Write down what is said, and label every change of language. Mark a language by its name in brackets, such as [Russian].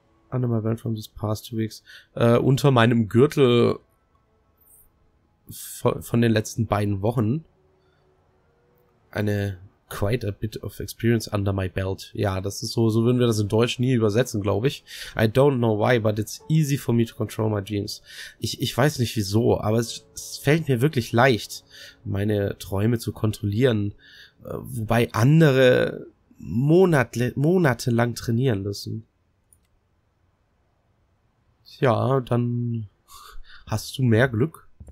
[English] Under my belt from these past 2 weeks. [German] Unter meinem Gürtel von den letzten beiden Wochen. [English] Quite a bit of experience under my belt. [German] Ja, das ist so, so würden wir das in Deutsch nie übersetzen, glaube ich. [English] I don't know why, but it's easy for me to control my dreams. [German] Ich weiß nicht wieso, aber es fällt mir wirklich leicht, meine Träume zu kontrollieren. Wobei andere monatelang trainieren müssen. Tja, dann hast du mehr Glück.